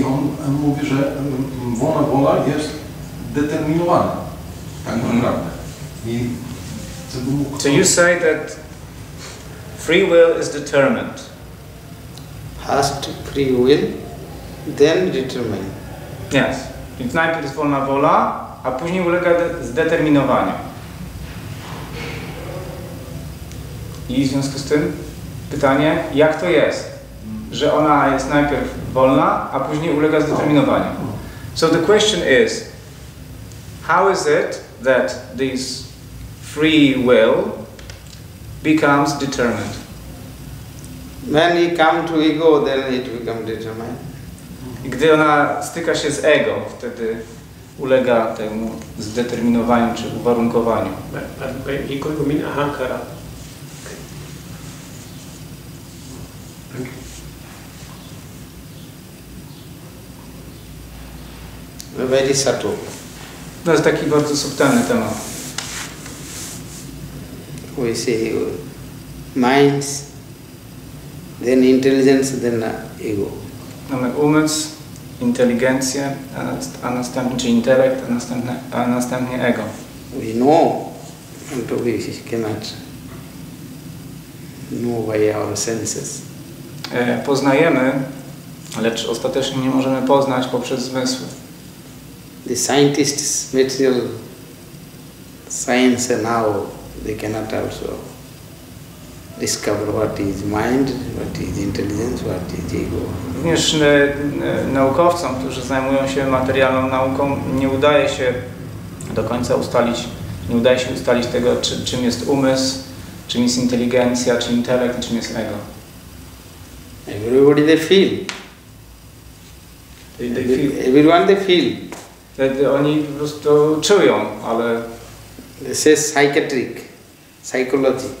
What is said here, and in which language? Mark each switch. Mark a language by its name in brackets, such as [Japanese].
[Polish] I on mówi, że wolna wola jest determinowana, tak naprawdę. I co by mógł... [English] So you say that free will is determined. Has to free will, then determine. Yes. [Polish] Więc najpierw jest wolna wola, a później ulega zdeterminowaniu. I w związku z tym pytanie, jak to jest, że ona jest najpierw wolna, a później ulega zdeterminowaniu. [English] So the question is, how is it that this free will becomes determined? When it comes to ego, then it becomes determined. [Polish] I gdy ona styka się z ego, wtedy ulega temu zdeterminowaniu czy uwarunkowaniu. [English] Ego gmin ahankara. Very subtle. [Polish] To jest taki bardzo subtelny temat. [English] We say minds, then intelligence, then ego. [Polish] Mamy umysł, inteligencję, a następnie czy intelekt, a następnie ego. [English] We know, and we cannot know by our senses. [Polish] Poznajemy, lecz ostatecznie nie możemy poznać poprzez zmysły. [English] The scientists, material science now, they cannot also discover what is mind, what is intelligence, what is ego. [Polish] Również naukowcom, którzy zajmują się materialną nauką, nie udaje się do końca ustalić, nie udaje się ustalić tego, czym jest umysł, czym jest inteligencja, czym intelekt, czym jest ego. [English] Everybody they feel. Everyone they feel. [Polish] Wtedy oni po prostu czują, ale... [English] This is psychiatric, psychology.